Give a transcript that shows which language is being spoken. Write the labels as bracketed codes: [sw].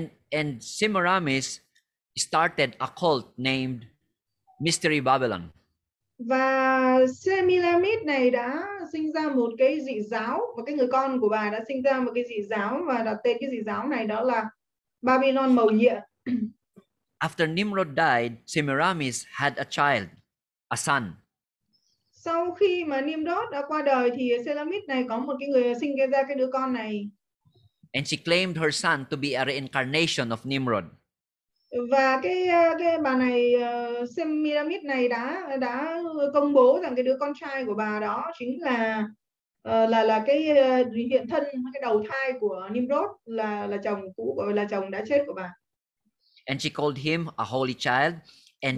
[en] And Semiramis started a cult named Mystery Babylon. [vi] Và Semiramis này đã sinh ra một cái dị giáo, và cái người con của bà đã sinh ra một cái dị giáo và đặt tên cái dị giáo này đó là Babylon màu nhiệm. [en] After Nimrod died, Semiramis had a child, a son. [vi] Sau khi mà Nimrod đã qua đời thì Semiramis này có một cái người sinh ra cái đứa con này. [en] And she claimed her son to be a reincarnation of Nimrod. [vi] Và cái bà này Semiramis này đã công bố rằng cái đứa con trai của bà đó chính là cái hiện thân, cái đầu thai của Nimrod, là chồng cũ, là chồng đã chết của bà. [en] And she called him a holy child, and